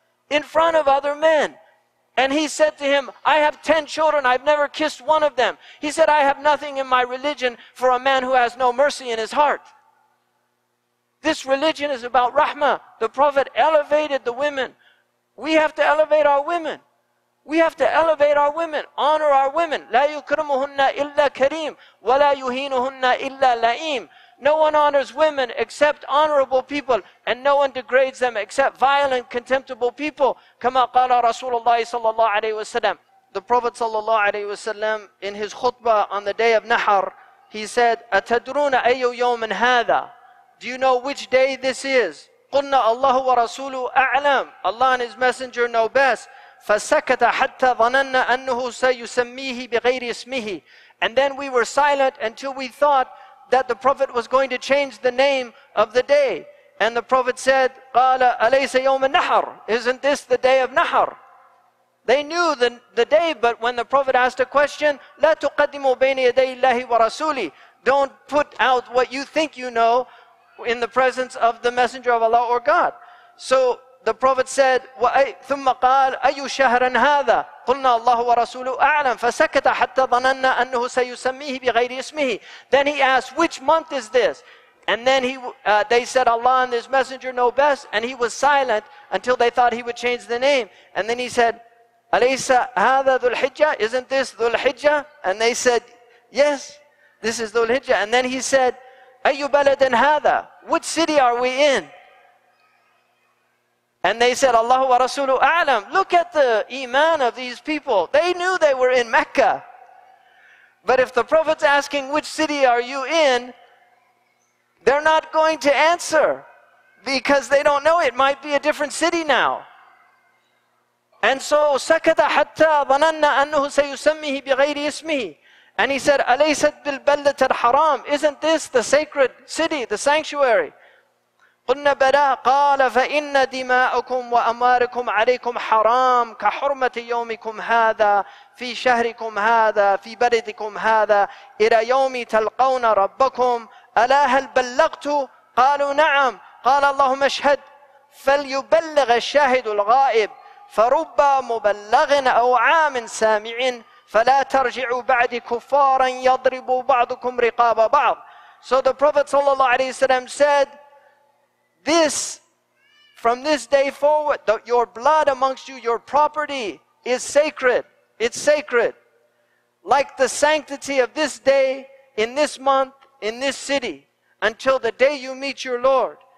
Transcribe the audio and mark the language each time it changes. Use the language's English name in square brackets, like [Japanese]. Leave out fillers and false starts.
[English] In front of other men. And he said to him, I have 10 children, I've never kissed one of them. He said, I have nothing in my religion for a man who has no mercy in his heart. This religion is about rahmah. The Prophet elevated the women. We have to elevate our women. We have to elevate our women, honor our women. [Arabic] لا يكرمهن إلا كريم ولا يهينهن إلا لئيم. [English] No one honors women except honorable people, and no one degrades them except violent, contemptible people. [Arabic] كما قال رسول الله صلى الله عليه وسلم. [English] The Prophet [Arabic] صلى الله عليه وسلم, [English] in his khutbah on the day of Nahr, he said, [Arabic] أتدرون أي يوم هذا? [English] Do you know which day this is? [Arabic] قلنا الله ورسوله أعلم. [English] Allah and His Messenger know best. [Arabic] فَسَكَتَ حَتَّى ظَنَنَّ أَنُّهُ سَيُسَمِّيهِ بِغَيْرِ اسْمِهِ. [English] And then we were silent until we thought that the Prophet was going to change the name of the day. And the Prophet said, [Arabic] قَالَ أَلَيْسَ يَوْمَ النَّحَرِ. [English] Isn't this the day of Nahr? They knew the day, but when the Prophet asked a question, [Arabic] لَا تُقَدِّمُوا بَيْنِ يَدَيْ اللَّهِ وَرَسُولِ. [English] Don't put out what you think you know in the presence of the Messenger of Allah or God. So the Prophet said, [Arabic] ثم قال أي شهر هذا؟ قلنا الله ورسوله أعلم. فسكت حتى ظننا أنه سيسميه بغير اسمه. [English] Then he asked, which month is this? And then they said, Allah and His Messenger know best. And he was silent until they thought he would change the name. And then he said, [Arabic] أليس هذا ذو الحجة? [English] Isn't this ذو الحجة? And they said, yes, this is ذو الحجة. And then he said, [Arabic] أي بلد هذا? [English] Which city are we in? And they said, [Arabic] Allahu wa Rasuluhu A'lam. [English] Look at the iman of these people. They knew they were in Mecca. But if the Prophet's asking, which city are you in? They're not going to answer because they don't know. It might be a different city now. And so, [Arabic] سَكَتَ حَتَّى ظَنَنَّ أَنُّهُ سَيُسَمِّهِ بِغَيْرِ اسْمِهِ. [English] And he said, [Arabic] أَلَيْسَتْ بِالْبَلَّةَ الْحَرَامِ. [English] Isn't this the sacred city, the sanctuary? [Arabic] قلنا بلى قال فإن دماءكم وأموالكم عليكم حرام كحرمة يومكم هذا في شهركم هذا في بلدكم هذا إلى يوم تلقون ربكم ألا هل بلغت؟ قالوا نعم. قال اللهم اشهد فليبلغ الشاهد الغائب فرب مبلغ أو عام سامع فلا ترجعوا بعد كفارا يضرب بعضكم رقاب بعض. [English] So the Prophet [Arabic] صلى الله عليه وسلم [English] said, this, from this day forward, your blood amongst you, your property is sacred. It's sacred. Like the sanctity of this day, in this month, in this city, until the day you meet your Lord.